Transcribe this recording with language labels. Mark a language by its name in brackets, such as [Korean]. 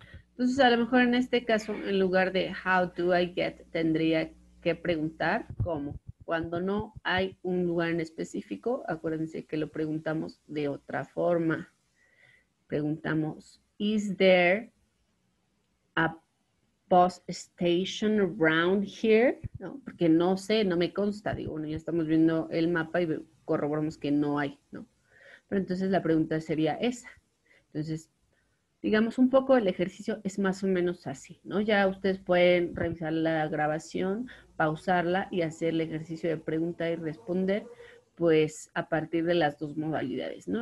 [Spanish] Entonces, a lo mejor en este caso, en lugar de [English] how do I get, [Spanish] tendría que preguntar cómo. Cuando no hay un lugar en específico, acuérdense que lo preguntamos de otra forma. Preguntamos, [English] is there a bus station around here? [Spanish] ¿No? Porque no sé, no me consta. Digo, bueno, ya estamos viendo el mapa y corroboramos que no hay, ¿no? Pero entonces la pregunta sería esa. Entonces, digamos, un poco el ejercicio es más o menos así, ¿no? Ya ustedes pueden revisar la grabación, pausarla y hacer el ejercicio de pregunta y responder, pues, a partir de las dos modalidades, ¿no?